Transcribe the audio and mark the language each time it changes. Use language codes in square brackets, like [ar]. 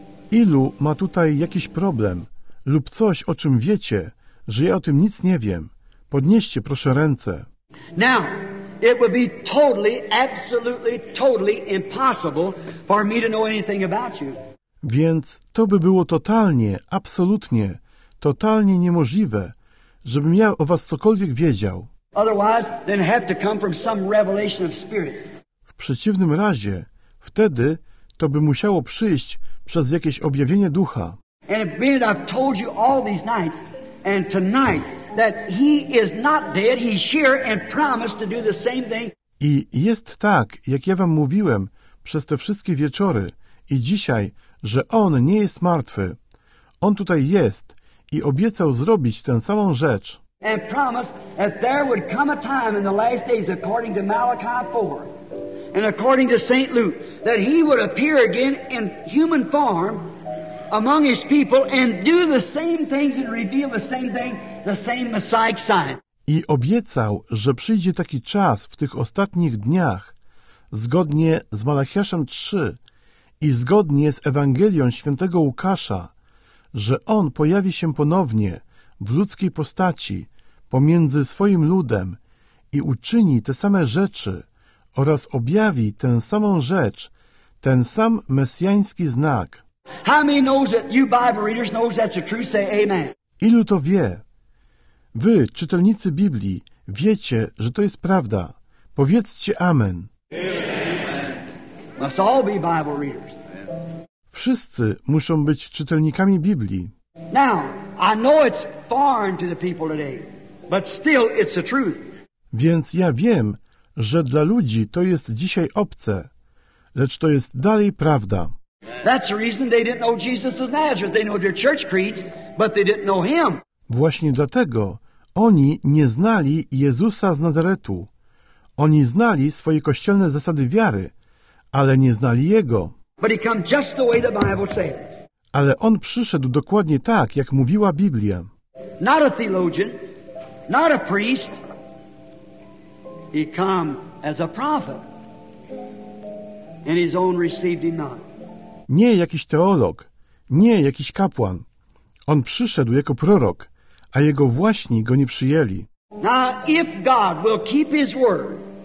[pl] Ilu ma tutaj jakiś problem lub coś, o czym wiecie, że ja o tym nic nie wiem? Podnieście proszę ręce. [en] Now, it would be totally, absolutely, totally impossible for me to know anything about you. [pl] Więc to by było totalnie, absolutnie, totalnie niemożliwe, żebym ja o was cokolwiek wiedział. [en] Otherwise, then have to come from some revelation of spirit. [pl] W przeciwnym razie, wtedy to by musiało przyjść przez jakieś objawienie ducha. [en] And being I've told you all these nights and tonight that he is not dead, he's here and promised to do the same thing. [pl] I jest tak, jak ja wam mówiłem przez te wszystkie wieczory i dzisiaj, że on nie jest martwy. On tutaj jest i obiecał zrobić tę samą rzecz. [en] And promised that there would come a time in the last days, according to Malachi 4, and according to St. Luke, that he would appear again in human form among his people and do the same things and reveal the same thing, the same Messiah sign. [pl] I obiecał, że przyjdzie taki czas w tych ostatnich dniach, zgodnie z Malachiaszem 3 i zgodnie z Ewangelią świętego Łukasza, że on pojawi się ponownie w ludzkiej postaci pomiędzy swoim ludem i uczyni te same rzeczy oraz objawi tę samą rzecz, ten sam mesjański znak. [en] How many knows that you Bible readers knows that's the truth? Say amen. [pl] Ilu to wie? Wy, czytelnicy Biblii, wiecie, że to jest prawda. Powiedzcie amen. [en] Amen. Must all be Bible readers. [pl] Wszyscy muszą być czytelnikami Biblii. [en] Now, I know it's foreign to the people today, but still it's the truth. [pl] Więc ja wiem, że dla ludzi to jest dzisiaj obce, lecz to jest dalej prawda. [en] That's the reason they didn't know Jesus of Nazareth. They know their church creeds, but they didn't know him. [pl] Właśnie dlatego oni nie znali Jezusa z Nazaretu. Oni znali swoje kościelne zasady wiary, ale nie znali Jego. [en] But he come just the way the Bible said. [pl] Ale on przyszedł dokładnie tak, jak mówiła Biblia. [en] Not a theologian, not a priest. He come as a prophet. And his own received him not. [pl] Nie jakiś teolog, nie jakiś kapłan. On przyszedł jako prorok, a jego właśnie go nie przyjęli. [en] Now, if God will keep his word,